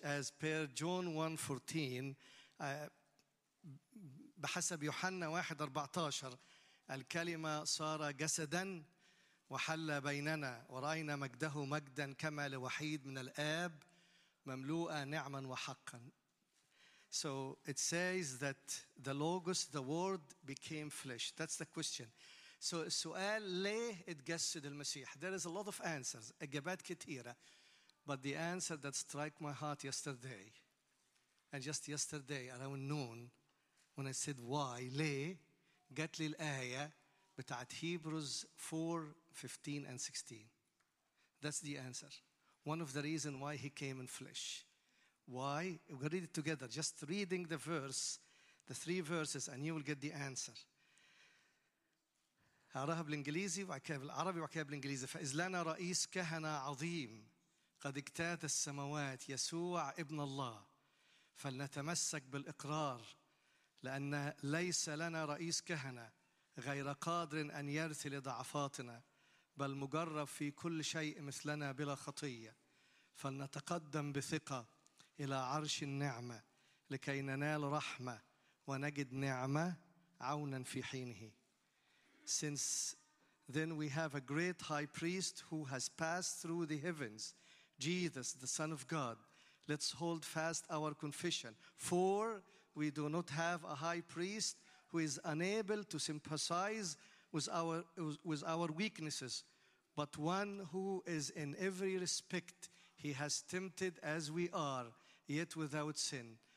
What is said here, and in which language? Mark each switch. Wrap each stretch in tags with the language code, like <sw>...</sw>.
<en>As per John 1:14,</en> <ar>بحسب يوحنا 1:14, الكلمة صار جسدا وحل بيننا ورأينا مجده مجدا كما لوحيد من الآب مملوءا نعما وحقا.</ar> <en>So it says that the Logos, the Word, became flesh. That's the question. So</en> <ar>السؤال ليه اتجسد المسيح.</ar> <en>There is a lot of answers,</en> <ar>اجابات كثيره,</ar> <en>but the answer that strike my heart yesterday and just yesterday around noon when I said why ليه,</en> <ar>جات لي الايه بتاعت</ar> <en>Hebrews 4:15-16. That's the answer, one of the reason why he came in flesh. Why? We read it together, just reading the verse, the three verses, and you will get the answer.</en> <ar>أراها بالإنجليزي وعكاها بالعربي وعكاها بالإنجليزي. فإذ لنا رئيس كهنة عظيم قد اجتاز السماوات يسوع ابن الله فلنتمسك بالإقرار لأن ليس لنا رئيس كهنة غير قادر أن يرثي لضعفاتنا بل مجرب في كل شيء مثلنا بلا خطية. فلنتقدم بثقة إلى عرش النعمة لكي ننال رحمة ونجد نعمة عونا في حينه.</ar> <en>Since then we have a great high priest who has passed through the heavens, Jesus, the Son of God. Let's hold fast our confession. For we do not have a high priest who is unable to sympathize with our weaknesses, but one who is in every respect he has tempted as we are, yet without sin.</en>